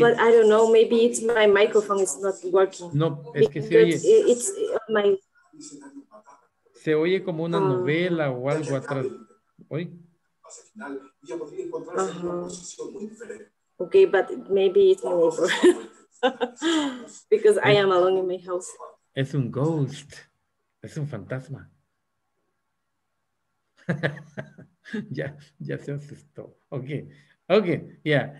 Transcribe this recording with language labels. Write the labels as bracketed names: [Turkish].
[English] But I don't know, maybe it's my microphone is not working. [Spanish] No, es que se oye. [English] It's my... [Spanish] Se oye como una novela o algo atrás. Hoy. Uh-huh. [English] Okay, but maybe it's not over because I am alone in my house. [Spanish] Es un ghost, es un fantasma. ya se asustó. [English] Okay, yeah.